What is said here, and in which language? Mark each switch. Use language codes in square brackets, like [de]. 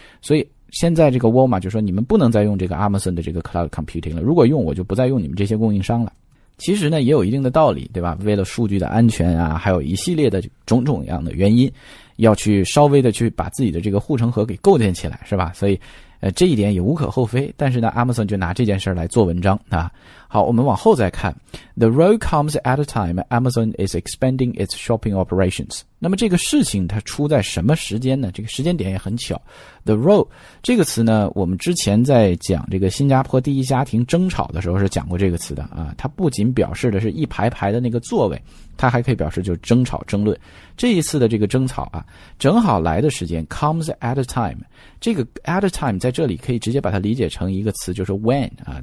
[zh] 所以现在这个 Walmart 就说你们不能再用这个 Amazon 的这个 cloud computing 了，如果用我就不再用你们这些供应商了。其实呢也有一定的道理，对吧？为了数据的安全啊，还有一系列的种种样的原因，要去稍微的去把自己的这个护城河给构建起来，是吧？所以这一点也无可厚非，但是呢 Amazon 就拿这件事来做文章啊。好，我们往后再看。 [en] The road comes at a time Amazon is expanding its shopping operations。 [zh] 那么这个事情它出在什么时间呢？这个时间点也很巧。 The road 这个词呢，我们之前在讲这个新加坡第一家庭争吵的时候是讲过这个词的啊。它不仅表示的是一排排的那个座位，它还可以表示就是争吵争论。这一次的这个争吵啊，正好来的时间 [en] comes at a time， [zh] 这个 at a time 在这里可以直接把它理解成一个词，就是 when 啊。